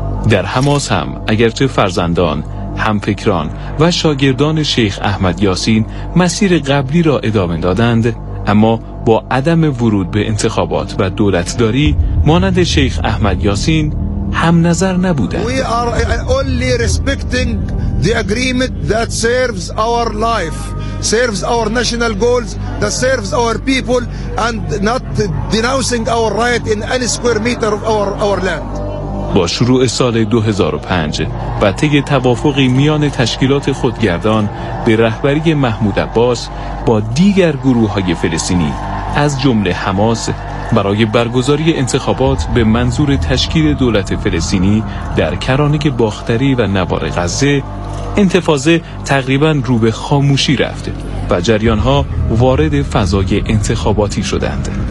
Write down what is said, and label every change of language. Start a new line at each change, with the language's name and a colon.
Persian: در حماس هم اگرچه فرزندان، همفکران و شاگردان شیخ احمد یاسین مسیر قبلی را ادامه دادند، اما با عدم ورود به انتخابات و دولتداری مانند شیخ احمد یاسین هم نظر نبودند.
English: We are only respecting the agreement that serves our life, serves our national goals, that serves our people and not denouncing our right in any square meter of our land.
Persian: با شروع سال 2005 و طی توافقی میان تشکیلات خودگردان به رهبری محمود عباس با دیگر گروه‌های فلسطینی از جمله حماس برای برگزاری انتخابات به منظور تشکیل دولت فلسطینی در کرانه باختری و نوار غزه، انتفاضه تقریبا رو به خاموشی رفت و جریان‌ها وارد فضای انتخاباتی شدند.